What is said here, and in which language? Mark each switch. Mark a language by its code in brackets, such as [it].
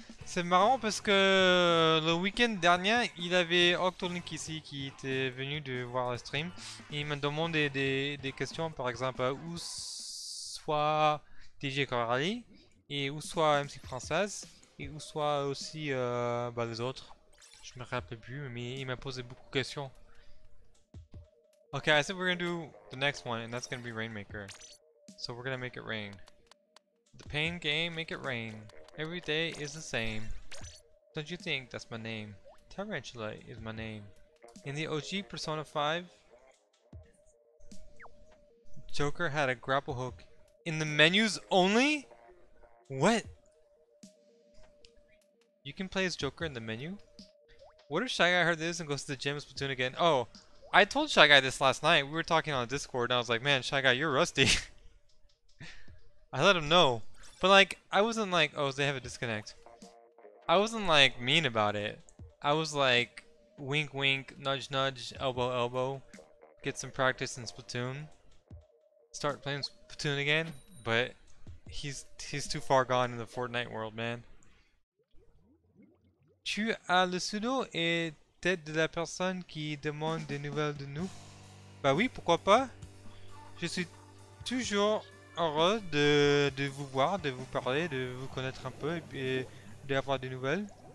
[fr] C'est marrant parce que le week-end dernier, il avait Octolink ici qui était venu de voir le stream. Il m'a demandé des questions, par exemple, où soit DJ Coralie, et où soit MC Française, et où soit aussi les autres. Je me rappelle plus, mais il m'a posé beaucoup de questions. [en] Okay, I said we're gonna do the next one, and that's gonna be Rainmaker. So we're gonna make it rain. The pain game, make it rain. Every day is the same. Don't you think that's my name? Tyrantula is my name. In the OG Persona 5, Joker had a grapple hook. In the menus only? What? You can play as Joker in the menu? What if Shy Guy heard this and goes to the gym with Splatoon again? Oh, I told Shy Guy this last night. We were talking on Discord and I was like, man, Shy Guy, you're rusty. I let him know. But like, I wasn't like, oh, they have a disconnect. I wasn't like mean about it. I was like, wink, wink, nudge, nudge, elbow, elbow. Get some practice in Splatoon. Start playing Splatoon again. But he's too far gone in the Fortnite world, man. [fr] Tu as le pseudo et tête de la personne qui demande des nouvelles de nous? Bah oui, pourquoi pas? Je suis toujours heureux de vous voir, de vous parler, de vous connaître un peu et d'avoir des nouvelles.